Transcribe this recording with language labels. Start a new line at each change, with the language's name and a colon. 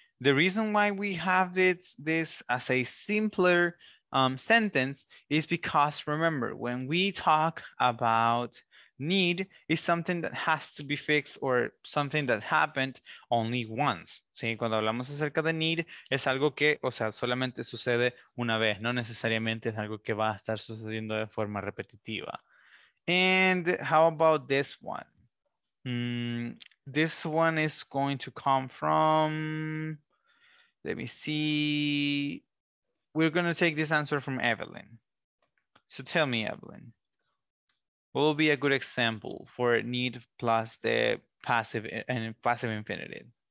English: The reason why we have this as a simpler sentence is because, remember, when we talk about need, is something that has to be fixed or something that happened only once.
Spanish: Sí, cuando hablamos acerca de need, es algo que, o sea, solamente sucede una vez, no necesariamente es algo que va a estar sucediendo de forma repetitiva.
English: And how about this one? This one is going to come from, let me see. We're going to take this answer from Evelyn. So tell me, Evelyn, what will be a good example for need plus the passive and passive infinitive?